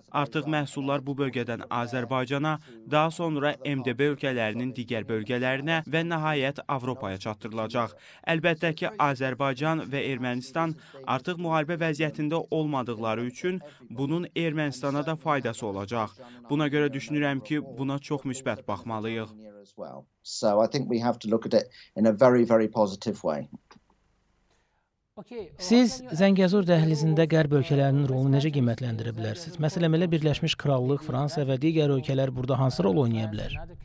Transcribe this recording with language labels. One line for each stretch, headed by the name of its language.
Azerbaijani: Artıq məhsullar bu bölgədən Azərbaycana, daha sonra MDB ölkələrinin digər bölgələrinə və nəhayət Avropaya çatdırılacaq. Əlbəttə ki, Azərbaycan və Ermənistan artıq müharibə vəziyyətində olmadıqları üçün bunun Ermənistana da faydası olacaq. Buna görə düşünürəm ki, buna çox müsbət baxmalıyıq.
English: So I think we have to look at it in a very, very positive way.
Azerbaijani: Siz Zəngəzur dəhlizində qərb ölkələrinin rolunu necə qiymətləndirə bilərsiniz? Məsələn, elə Birləşmiş Krallıq, Fransa və digər ölkələr burada hansı rol oynaya bilər?